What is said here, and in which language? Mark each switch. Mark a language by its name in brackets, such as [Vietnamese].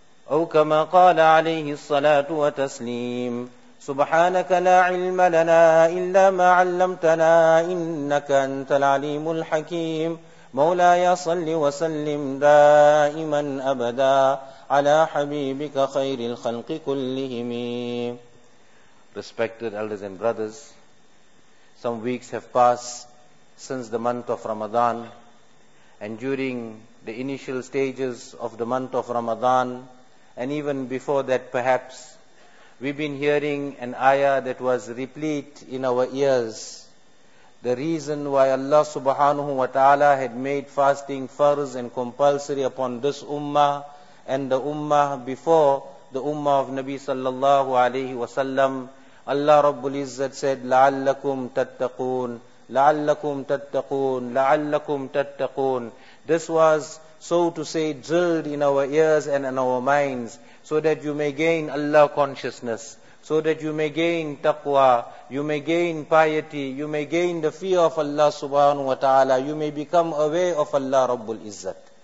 [Arabic] أو كما قال عليه الصلاة والسلام سبحانك لا علم لنا إلا ما علمتنا إنك أنت العليم الحكيم مولاي صل وسلم دائما أبدا على حبيبك خير الخلق كلهم. [English] Respected elders and brothers, some weeks have passed since the month of Ramadan, and during the initial stages of the month of Ramadan, and even before that perhaps, we've been hearing an ayah that was replete in our ears. The reason why Allah subhanahu wa ta'ala had made fasting farz and compulsory upon this ummah and the ummah before the ummah of Nabi sallallahu alayhi wa sallam. Allah Rabbul Izzat said, [Arabic] لَعَلَّكُمْ تَتَّقُونَ لَعَلَّكُمْ تَتَّقُونَ [English] لَعَلَّكُمْ تَتَّقُونَ. This was, so to say, drilled in our ears and in our minds, so that you may gain Allah consciousness, so that you may gain taqwa, you may gain piety, you may gain the fear of Allah subhanahu wa ta'ala, you may become aware of Allah Rabbul Izzat.